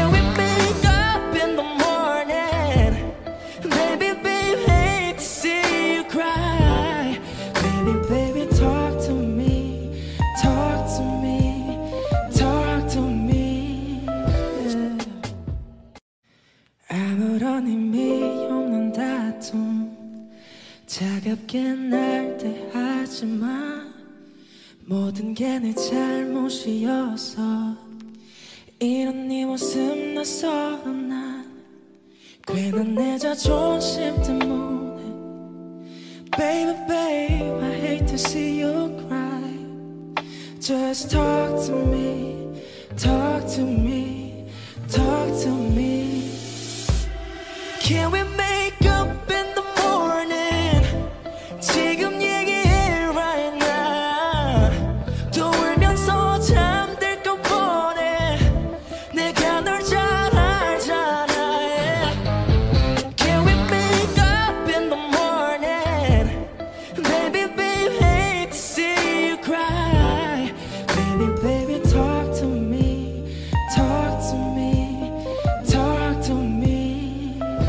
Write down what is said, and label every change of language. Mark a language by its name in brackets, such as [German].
[English] Can we make up in the morning Baby babe hate to see you cry Baby baby talk to me Talk to me Talk to me yeah. [Korean] 아무런 의미 없는 다툼 차갑게 날대하지만 모든 게 내 잘못이어서 이런 네 모습 낯설어 난 괜한 내 자존심 때문에 [English] Baby babe I hate to see you cry Just talk to me [Korean] Talk to me Talk to me [English] Can we make up in the morning [Korean] 지금 얘기해 [English] right now [Korean] 또 울면서 잠들 것 뻔해 내가 널 잘 알잖아 yeah. [English] Can we make up in the morning Baby babe hate to see you cry Baby baby talk to me Talk to me Talk to me